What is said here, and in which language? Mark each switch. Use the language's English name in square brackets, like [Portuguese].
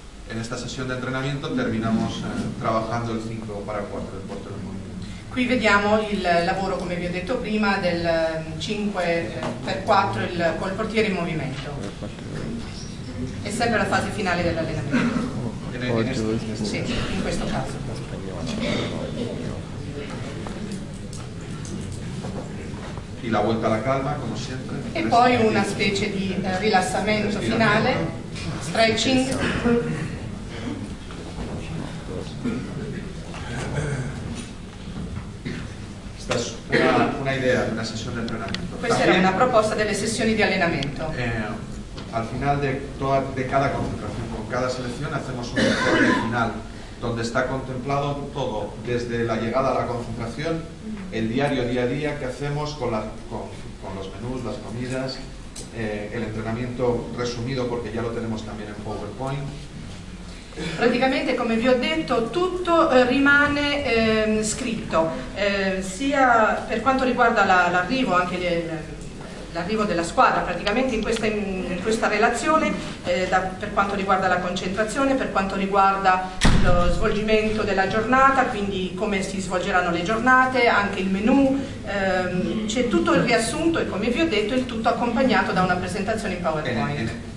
[Spanish] En esta sesión de entrenamiento terminamos trabajando el 5-4 del portero del mundo. [Italian] Qui vediamo il lavoro, come vi ho detto prima, del 5-4 col portiere in movimento. È sempre la fase finale dell'allenamento. Sì, in questo caso. E la volta alla calma, come sempre. E poi una specie di rilassamento finale, stretching. Idea di una sessione di allenamento. Questa era una proposta delle sessioni di allenamento. [Spanish] Al final de cada concentración, con cada selección, hacemos un informe final donde está contemplado todo, desde la llegada a la concentración, el diario día a día que hacemos con los menús, las comidas, el entrenamiento resumido porque ya lo tenemos también en PowerPoint. [Italian] Praticamente, come vi ho detto, tutto rimane scritto, sia per quanto riguarda l'arrivo, anche l'arrivo della squadra, praticamente in questa relazione, per quanto riguarda la concentrazione, per quanto riguarda lo svolgimento della giornata, quindi come si svolgeranno le giornate, anche il menù, c'è tutto il riassunto e, come vi ho detto, il tutto accompagnato da una presentazione in PowerPoint.